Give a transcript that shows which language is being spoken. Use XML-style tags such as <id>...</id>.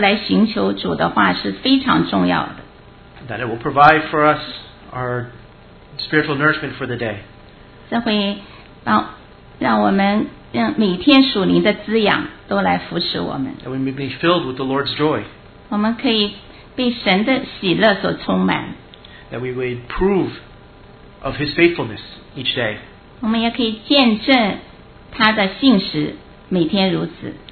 <zh>这诗篇告诉我们，早上第一件事情就来寻求主的话是非常重要的。</zh> <en>That it will provide for us our spiritual nourishment for the day.</en> <zh>这会让我们让每天属灵的滋养都来扶持我们。</zh> <en>That we may be filled with the Lord's joy.</en> <zh>我们可以被神的喜乐所充满。</zh> <en>That we may prove of His faithfulness each day.</en> <zh>我们也可以见证他的信实，每天如此。</zh>